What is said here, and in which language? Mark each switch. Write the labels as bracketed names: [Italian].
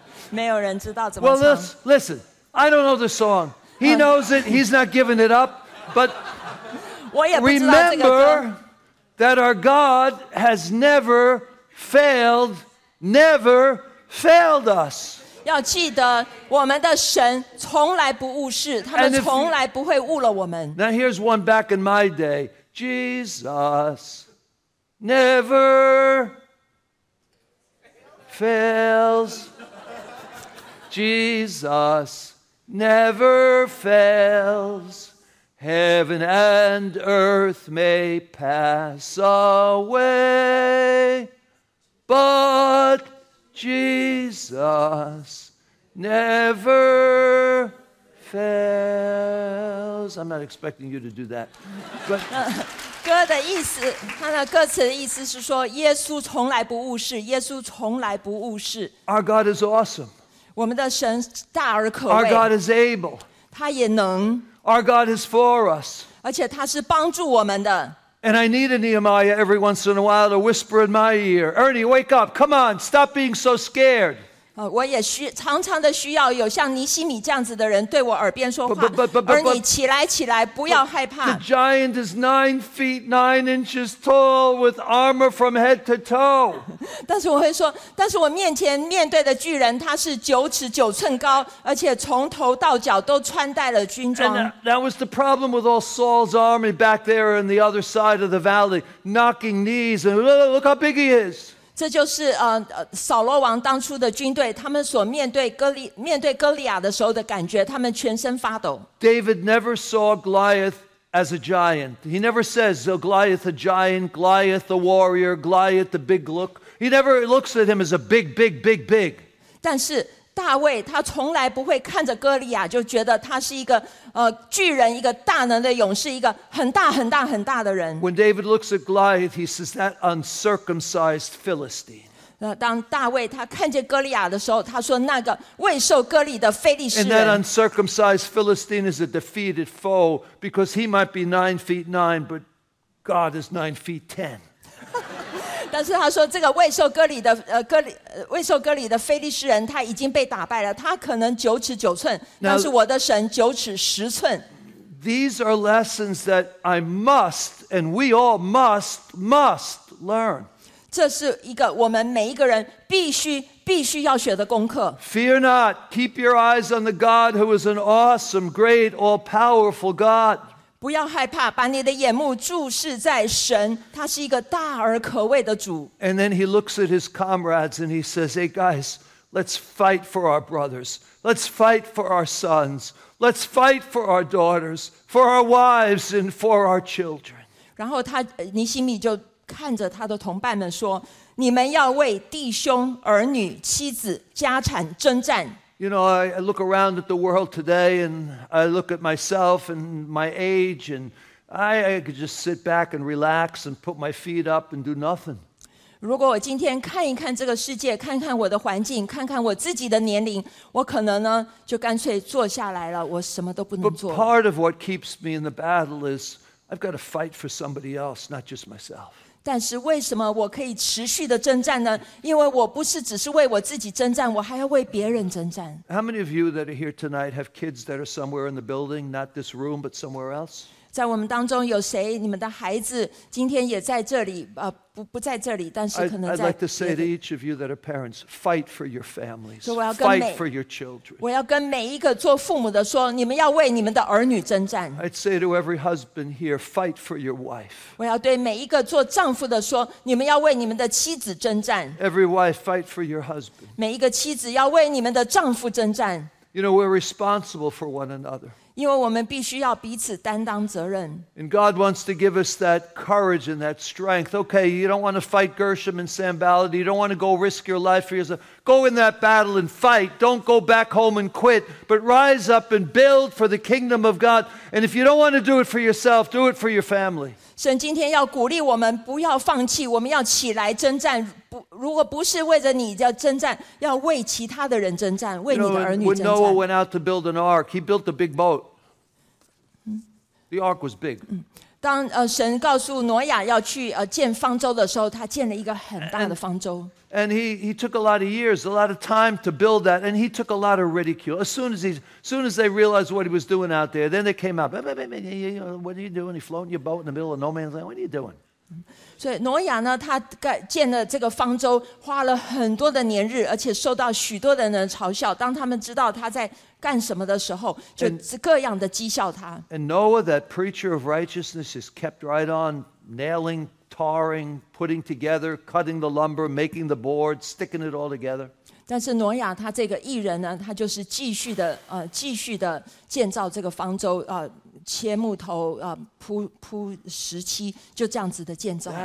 [Chinese] 没有人知道怎么唱。 [English] Well, listen, I don't know the song. He knows it, he's not giving it up, but [Chinese] 我也不知道这个歌。 [English] That our God has never failed, never failed us. [Chinese] 要记得我们的神从来不误事，他们从来不会误了我们。 [English] Now here's one back in my day. Jesus never fails. Jesus never fails. Heaven and earth may pass away, but Jesus never fails. I'm not expecting you to do that. [Chinese] 歌的意思，他的歌词的意思是说，耶稣从来不误事，耶稣从来不误事。 [English] Our God is awesome. [Chinese] 我们的神大而可畏。 [English] Our God is able. [Chinese] 他也能。 [English] Our God is for us. [Chinese] 而且他是帮助我们的。 [English] And I need a Nehemiah every once in a while to whisper in my ear, Ernie, wake up, come on, stop being so scared. [Chinese] 我也常常的需要有像尼希米这样子的人对我耳边说话。 Ernie, 起来起来，不要害怕。 [English] The giant is 9 feet 9 inches tall with armor from head to toe. [Chinese] 但是我会说，但是我面前面对的巨人他是9尺9寸高，而且从头到脚都穿戴了军装。 [English] That was the problem with all Saul's army back there on the other side of the valley, knocking knees and look how big he is. [Chinese] 这就是扫罗王当初的军队，他们所面对哥利亚的时候的感觉，他们全身发抖。 [English] David never saw Goliath as a giant. He never says, "Oh, Goliath, a giant, Goliath, the warrior, Goliath, the big look." He never looks at him as a big, big, big, big. [Chinese] 但是大卫他从来不会看着哥利亚就觉得他是一个巨人，一个大能的勇士，一个很大很大很大的人。 [English] When David looks at Goliath, he says that uncircumcised Philistine. [Chinese] 当大卫他看见哥利亚的时候，他说那个未受割礼的非利士人。 [English] And that uncircumcised Philistine is a defeated foe because he might be 9 feet 9, but God is 9 feet 10. [Chinese] 但是他说这个未受割礼的非利士人他已经被打败了，他可能九尺九寸，但是我的神九尺十寸。 [English] These are lessons that I must, and we all must learn. [Chinese] 这是一个我们每一个人必须要学的功课。 [English] Fear not, keep your eyes on the God who is an awesome, great, all-powerful God. [Chinese] 不要害怕，把你的眼目注视在神，他是一个大而可畏的主。 [English] And then he looks at his comrades and he says, hey guys, let's fight for our brothers. Let's fight for our sons. Let's fight for our daughters, for our wives, and for our children. [Chinese] 然后他尼希米就看着他的同伴们说，你们要为弟兄、儿女、妻子、家产征战。 [English] You know, I look around at the world today, and I look at myself and my age, and I could just sit back and relax and put my feet up and do nothing. [Chinese] 如果我今天看一看这个世界，看看我的环境，看看我自己的年龄，我可能呢就干脆坐下来了，我什么都不能做。 [English] But part of what keeps me in the battle is I've got to fight for somebody else, not just myself. [Chinese] 但是为什么我可以持续的征战呢？因为我不是只是为我自己征战，我还要为别人征战。 [English] How many of you that are here tonight have kids that are somewhere in the building, not this room, but somewhere else? [Chinese] 在我们当中有谁？你们的孩子今天也在这里？不在这里，但是可能在。 [English] I'd like to say to each of you that are parents, fight for your families. Fight for your children. [Chinese] 我要跟每一个做父母的说，你们要为你们的儿女征战。 [English] I'd say to every husband here, fight for your wife. [Chinese] 我要对每一个做丈夫的说，你们要为你们的妻子征战。 [English] Every wife, fight for your husband. [Chinese] 每一个妻子要为你们的丈夫征战。 [English] You know, we're responsible for one another. [Chinese] 因为我们必须要彼此担当责任。 [English] And God wants to give us that courage and that strength. Okay, you don't want to fight Gershom and Sam Ballard. You don't want to go risk your life for yourself. Go in that battle and fight. Don't go back home and quit. But rise up and build for the kingdom of God. And if you don't want to do it for yourself, do it for your family. [Chinese] 神今天要鼓励我们不要放弃，我们要起来征战。如果不是为着你要征战，要为其他的人征战，为你的儿女征战。 [English] When Noah went out to build an ark, he built a big boat. The ark was big. [Chinese] 当神告诉挪亚要去建方舟的时候，他建了一个很大的方舟。 [English] And he took a lot of years, a lot of time to build that, and he took a lot of ridicule. As soon as they realized what he was doing out there, then they came out. What are you doing? You floating your boat in the middle of no man's land? What are you doing? [Chinese] 所以挪亚呢，他建了这个方舟，花了很多的年日，而且受到许多的人嘲笑。当他们知道他在干什么的时候，就各样的讥笑他。 [English] And Noah, that preacher of righteousness, is kept right on nailing, tarring, putting together, cutting the lumber, making the board, sticking it all together. [Chinese] 但是挪亚他这个义人呢，他就是继续的建造这个方舟啊。切木头，铺石漆，就这样子的建造。